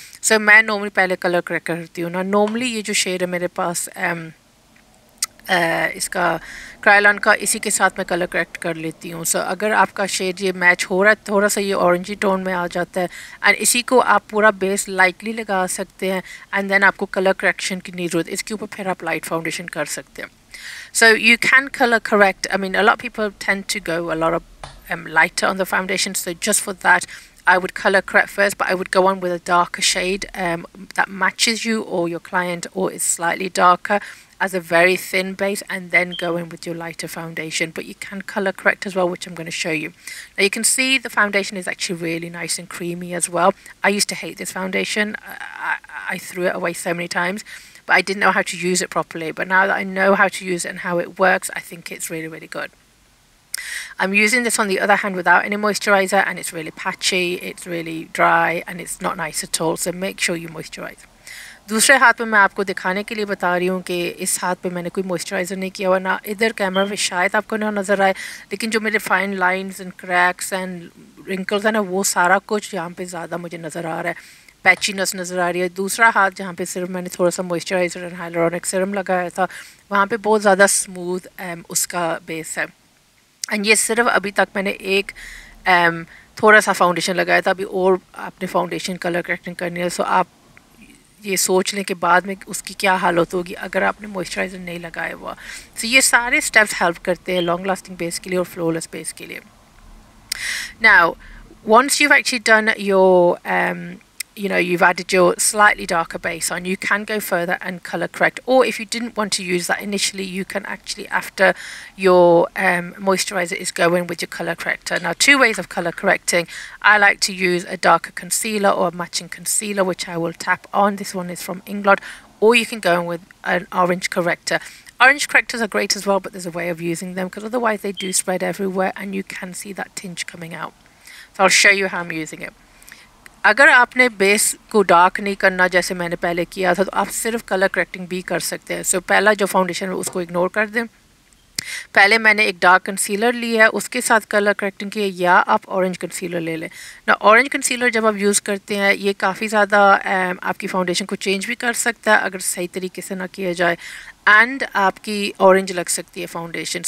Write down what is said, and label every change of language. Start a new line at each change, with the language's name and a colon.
Hindi: सो मैं नॉर्मली पहले colour correct करती हूँ ना. नॉर्मली ये जो शेड है मेरे पास इसका क्रायलॉन का, इसी के साथ मैं कलर करेक्ट कर लेती हूँ. सो अगर आपका शेड ये मैच हो रहा है, थोड़ा सा ये ऑरेंजी टोन में आ जाता है एंड इसी को आप पूरा बेस लाइटली लगा सकते हैं एंड देन आपको कलर करेक्शन की नहीं जरूरत, इसके ऊपर फिर आप लाइट फाउंडेशन कर सकते हैं.
English: So you can colour correct, I mean a lot people tend to go a lot of lighter on the foundation, so just for that I would color correct first, but I would go on with a darker shade that matches you or your client or is slightly darker as a very thin base, and then go in with your lighter foundation. But you can color correct as well, which I'm going to show you. Now you can see the foundation is actually really nice and creamy as well. I used to hate this foundation. I threw it away so many times, but I didn't know how to use it properly. But now that I know how to use it and how it works, I think it's really, really good. I'm using this on the other hand without any moisturizer and it's really patchy, it's really dry and it's not nice at all, so make sure you moisturize.
Hindi: दूसरे हाथ पे मैं आपको दिखाने के लिए बता रही हूँ कि इस हाथ पे मैंने कोई मॉइस्चराइज़र नहीं किया हुआ ना, इधर कैमरा पे शायद आपको ना नज़र आए, लेकिन जो मेरे fine lines and cracks and wrinkles हैं ना, वो सारा कुछ यहाँ पे ज़्यादा मुझे नज़र आ रहा है. पैची नस नज़र आ रही है, दूसरा हाथ जहाँ पे सिर्फ मैंने थोड़ा सा मॉइस्चराइजर एंड हाइलुरोनिक सीरम लगाया था वहाँ पे बहुत ज़्यादा स्मूथ उसका बेस है। एंड ये सिर्फ अभी तक मैंने एक थोड़ा सा फाउंडेशन लगाया था, अभी और आपने फाउंडेशन कलर करेक्टिंग करनी है, सो आप ये सोच लें कि बाद में उसकी क्या हालत होगी अगर आपने मॉइस्चराइजर नहीं लगाया हुआ। सो ये सारे स्टेप्स हेल्प करते हैं लॉन्ग लास्टिंग बेस के लिए और फ्लॉलेस बेस के लिए।
English: Now once you actually done your you know, you've added your slightly darker base on, you can go further and color correct. Or if you didn't want to use that initially, you can actually, after your moisturizer is going, with your color corrector. Now, two ways of color correcting. I like to use a darker concealer or a matching concealer, which I will tap on. This one is from Inglot. Or you can go in with an orange corrector. Orange correctors are great as well, but there's a way of using them because otherwise they do spread everywhere and you can see that tinge coming out. So I'll show you how I'm using it.
Hindi: अगर आपने base को dark नहीं करना जैसे मैंने पहले किया था तो आप सिर्फ कलर करेक्टिंग भी कर सकते हैं। सो पहला जो फाउंडेशन है उसको इग्नोर कर दें। पहले मैंने एक डार्क कंसीलर लिया है उसके साथ कलर करेक्टिंग की, या आप ऑरेंज कंसीलर ले लें। ना ऑरेंज कंसीलर जब आप यूज़ करते हैं ये काफ़ी ज़्यादा आपकी फाउंडेशन को चेंज भी कर सकता है अगर सही तरीके से ना किया जाए, एंड आपकी ऑरेंज लग सकती है फाउंडेशन।